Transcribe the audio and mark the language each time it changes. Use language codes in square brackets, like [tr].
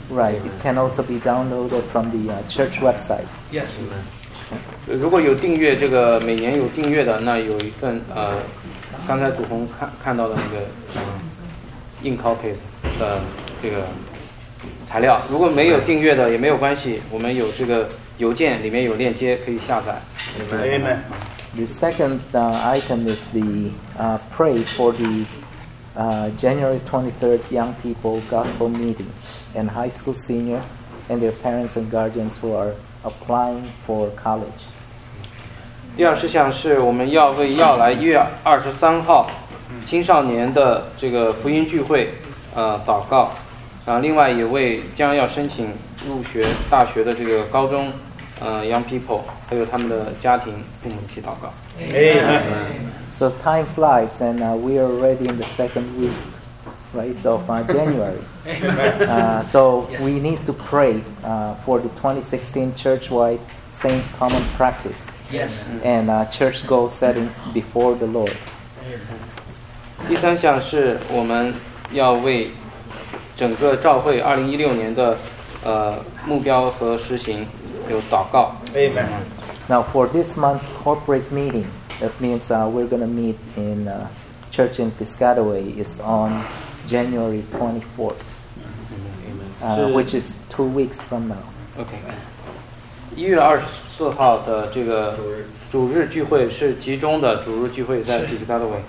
[en] Right, it can also be downloaded from the church website. Yes. [zh] 如果有订阅这个，每年有订阅的，那有一份刚才祖宏看到的那个。硬 copy 的这个材料，如果没有订阅的也没有关系，我们有这个邮件，里面有链接可以下载。 [en] Amen. The second item is the pray for the January 23rd Young People Gospel Meeting and high school senior and their parents and guardians who are applying for college. [zh] 第二事项是我们要为要来1月23号。青少年的这个福音聚会祷告，然后另外也为将要申请入学大学的这个高中 [en] young people [zh] 还有他们的家庭父母一起祷告。 [en] So time flies and we are already in the second week right of January. So we need to pray for the 2016 churchwide saints common practice. Yes. And church goal setting before the Lord. [zh] 第三项是我们要为整个召会2016年的目标和实行有祷告。 [en] Amen. Now for this month's corporate meeting, that means we're going to meet in church in Piscataway is on January 24th. Amen. Which is 2 weeks from now. [zh] Okay. 1月24号的这个主日聚会是集中的主日聚会在 Piscataway.